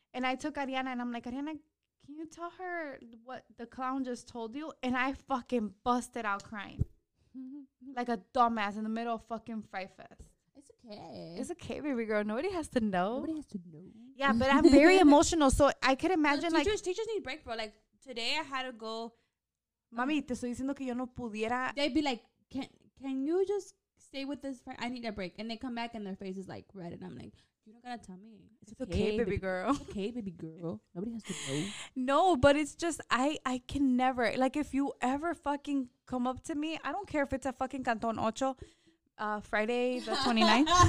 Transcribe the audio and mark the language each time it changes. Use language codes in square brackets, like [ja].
[en] And I took Ariana, and I'm like, Ariana, can you tell her what the clown just told you? And I fucking busted out crying. Like a dumbass in the middle of fucking Fright Fest. It's okay, baby girl. Nobody has to know. Yeah, but I'm very emotional, so I could imagine. Teachers, like, teachers need break, bro. Like, today I had to go. [es] Mami, te estoy diciendo que yo no pudiera. [en] They'd be like, can you just stay with this? I need a break. And they come back and their face is like red, and I'm like, you don't gotta tell me. It's okay, baby girl. It's okay, baby girl. Nobody has to know. No, but it's just, I can never. Like, if you ever fucking come up to me, I don't care if it's a fucking Canton Ocho, Friday the 29th.